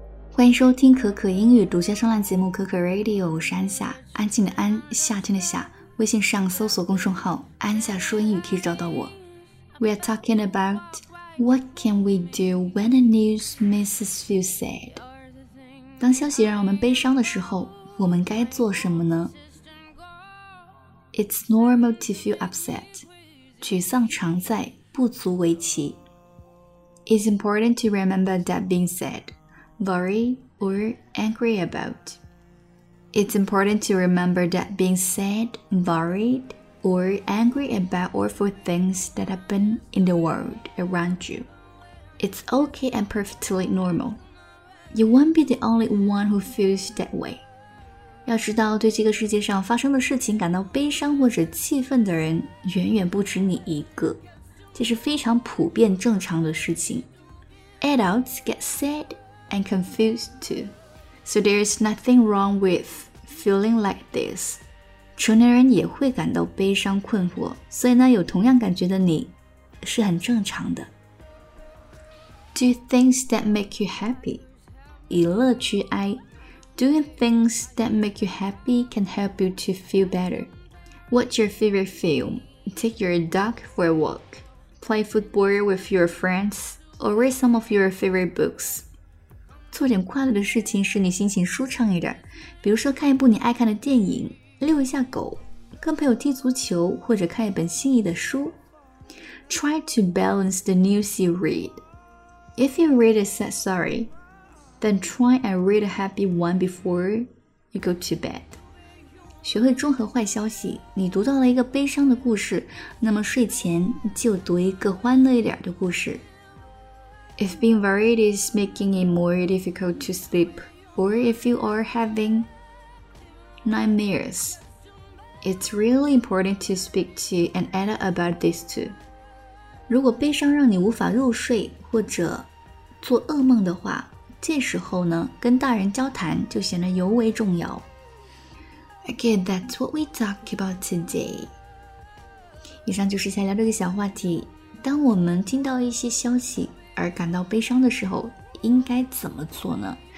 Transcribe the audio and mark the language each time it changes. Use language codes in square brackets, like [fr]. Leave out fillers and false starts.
[zh] 欢迎收听可可英语独家声浪节目可可 Radio， 我是安夏，安静的安，夏天的夏。微信上搜索公众号安夏说英语可以找到我。 [en] We are talking about What can we do when the news misses you sad? [zh] 当消息让我们悲伤的时候，我们该做什么呢？ [en] It's normal to feel upset. [zh] 沮丧常在，不足为奇。 [en] It's important to remember that being sad, worry, or angry about. It's important to remember that being sad, worried, or angry about awful things that happen in the world around you. It's okay and perfectly normal. You won't be the only one who feels that way. [zh] 要知道对这个世界上发生的事情感到悲伤或者气愤的人远远不止你一个。这是非常普遍正常的事情。 [en] Adults get sad and confused too. So there is nothing wrong with feeling like this. [zh] 成年人也会感到悲伤困惑，所以呢，有同样感觉的你是很正常的。 [en] Do things that make you happy. [zh] 以乐趣哀。 [en] Doing things that make you happy can help you to feel better. Watch your favorite film. Take your dog for a walk. Play football with your friends. Or read some of your favorite books. [zh] 做点快乐的事情使你心情舒畅一点，比如说看一部你爱看的电影。遛一下狗，跟朋友踢足球，或者看一本心仪的书。 [en] Try to balance the news you read. If you read a sad story, then try and read a happy one before you go to bed. [zh] 学会中和坏消息，你读到了一个悲伤的故事，那么睡前就读一个欢乐一点的故事。 [en] If being worried is making it more difficult to sleep, or if you are havingNightmares. It's really important to speak to an adult about this too. [zh] 如果悲伤让你无法入睡或者做噩梦的话，这时候呢，跟大人交谈就显得尤为重要。 [en] Okay, that's what we talk about today. [zh] 以上就是下聊这个小话题。当我们听到一些消息而感到悲伤的时候，应该怎么做呢？